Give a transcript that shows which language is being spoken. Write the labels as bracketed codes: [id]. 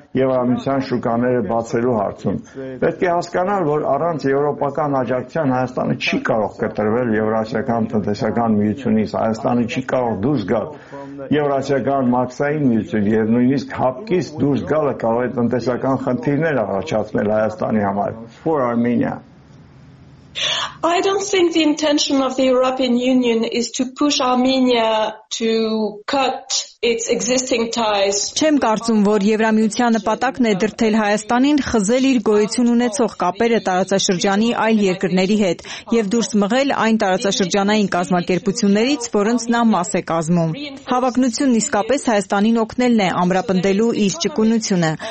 [hy] եվրամիության շուկաները բացելու հարցում։ Պետք է հասկանալ, որ առանց եվրոպական աջակցության Հայաստանը չի կարող կտրվել եվրասիական տնտեսական միությունից, Հայաստանը չի կարող դուրս գալ եվրասիական մաքսային միություն, և նույնիսկ հապկից դուրս գալը կարող է տնտեսական խնդիրներ առաջացնել Հայաստանի համար։ [en] For Armenia. I don't think the intention of the European Union is to push Armenia to cut its existing ties. [hy] Չեմ կարծում, որ Եվրամիության նպատակն է դրդել Հայաստանին խզել իր գոյություն ունեցող կապերը տարածաշրջանի այլ երկրների հետ եւ դուրս մղել այն տարածաշրջանային կազմակերպություններից, որոնց նա մաս է կազմում։ Հավակնությունն իսկապես Հայաստանին օգնելն է ամրապնդելու իր ճկունությունը։